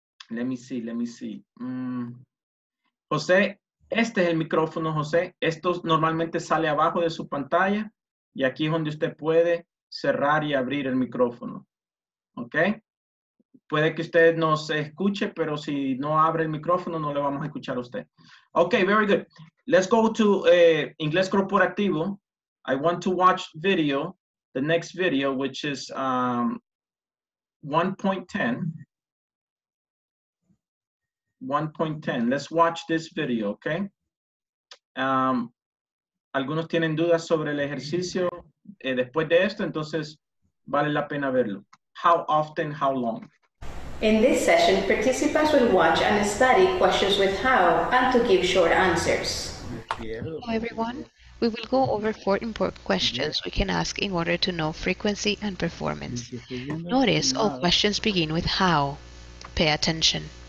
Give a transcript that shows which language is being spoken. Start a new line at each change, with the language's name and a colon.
English: Let me see.
Spanish: José, este es el micrófono, José. Esto normalmente sale abajo de su pantalla y aquí es donde usted puede cerrar y abrir el micrófono. ¿Ok? Puede que usted nos escuche, pero si no abre el micrófono, no le vamos a escuchar a usted.
English: Ok, very good. Let's go to Inglés Corporativo. I want to watch video, the next video, which is 1.10. 1.10. Let's watch this video, okay?
Spanish: Algunos tienen dudas sobre el ejercicio después de esto, entonces vale la pena verlo.
English: How often, how long? In this session, participants will watch and study questions with how and to give short answers. Hello, everyone. We will go over four important questions we can ask in order to know frequency and performance. Notice all questions begin with how. Pay attention.